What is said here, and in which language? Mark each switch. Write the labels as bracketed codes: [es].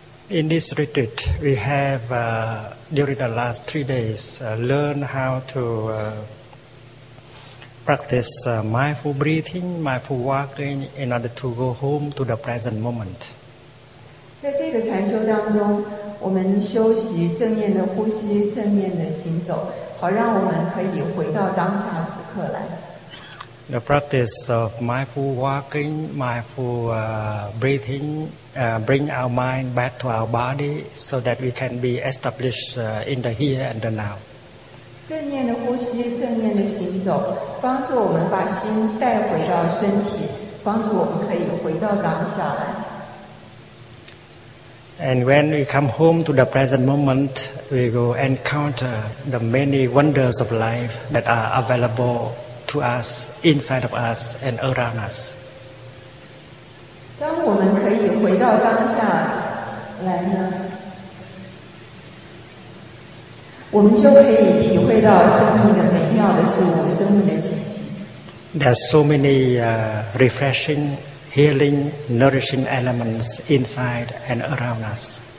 [en] In this retreat, we have, during the last 3 days, learned how to practice mindful breathing, mindful walking, in order to go home to the present moment. [zh] 在这个禅修当中，我们修习正念的呼吸，正念的行走，好让我们可以回到当下时刻来。 [en] The practice of mindful walking, mindful breathing, bring our mind back to our body so that we can be established in the here and the now. [zh] 正念的呼吸，正念的行走，帮助我们把心带回到身体，帮助我们可以回到当下来。 [en] And when we come home to the present moment, we will encounter the many wonders of life that are available to us, inside of us, and around us. There are so many refreshing, healing, nourishing elements inside and around us.